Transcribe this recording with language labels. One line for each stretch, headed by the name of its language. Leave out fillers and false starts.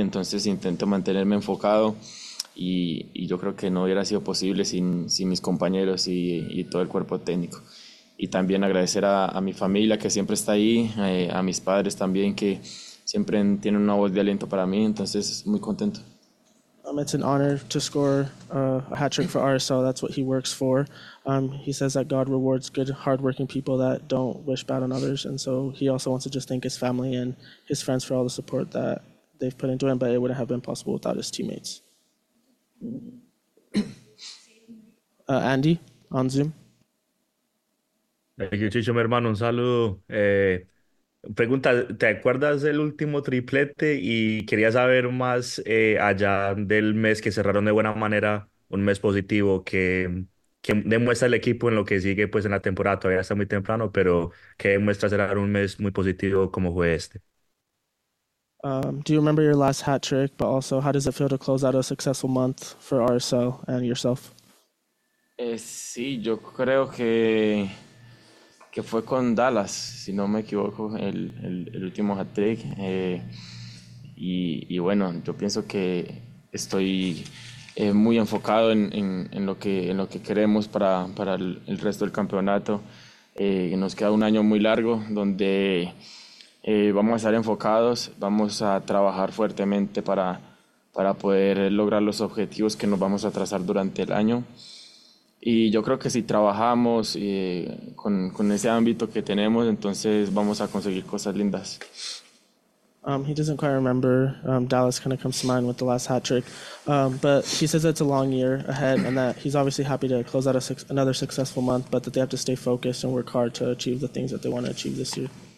Spanish: Entonces intento mantenerme enfocado. Y yo creo que no hubiera sido posible sin mis compañeros y todo el cuerpo técnico. Y también agradecer a mi familia que siempre está ahí, a mis padres también que siempre tienen una voz de aliento para mí, entonces muy contento.
English: It's an honor to score a hat-trick for RSL, that's what he works for. He says that God rewards good, hard-working people that don't wish bad on others, and so he also wants to just thank his family and his friends for all the support that they've put into him, but it wouldn't have been possible without his teammates. Andy, on Zoom. Thank you,
Spanish: Chicho, mi hermano, un saludo. Pregunta, ¿te acuerdas del último triplete? Y quería saber más allá del mes que cerraron de buena manera, un mes positivo que demuestra el equipo en lo que sigue pues en la temporada. Todavía está muy temprano, pero que demuestra cerrar un mes muy positivo como fue este.
English: Do you remember your last hat trick, but also how does it feel to close out a successful month for RSL and yourself?
Spanish: Sí, yo creo que fue con Dallas, si no me equivoco, el último hat trick. Y bueno, yo pienso que estoy muy enfocado en lo que queremos para el resto del campeonato. Nos queda un año muy largo donde vamos a estar enfocados, vamos a trabajar fuertemente para poder lograr los objetivos que nos vamos a trazar durante el año. Y yo creo que si trabajamos con ese ámbito que tenemos, entonces vamos a conseguir cosas lindas.
English: He doesn't quite remember. Dallas kind of comes to mind with the last hat trick. But he says it's a long year ahead and that he's obviously happy to close out another successful month, but that they have to stay focused and work hard to achieve the things that they want to achieve this year.